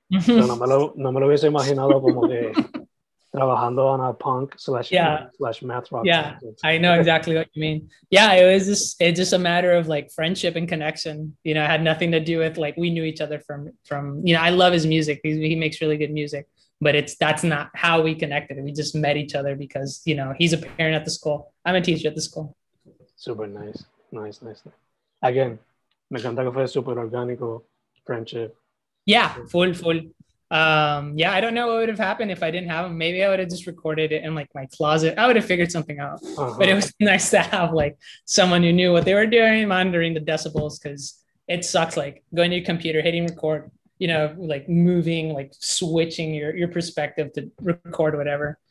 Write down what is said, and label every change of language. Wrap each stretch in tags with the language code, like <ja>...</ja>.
<es>So no me lo hubiese imaginado como que trabajando</es> <en>on a punk slash math rock. Yeah, I know exactly what you mean. Yeah, it's just a matter of like friendship and connection. You know, it had nothing to do with like, we knew each other from, you know, I love his music. He makes really good music, but that's not how we connected. We just met each other because, you know, he's a parent at the school. I'm a teacher at the school. Super nice.</en> <es>Again, me encanta que fue super orgánico friendship.</es> <en>Yeah, full. I don't know what would have happened if I didn't have them. Maybe I would have just recorded it in like my closet. I would have figured something out. But it was nice to have like someone who knew what they were doing, monitoring the decibels, because it sucks like going to your computer, hitting record, you know, like moving, like switching your perspective to record whatever.</en>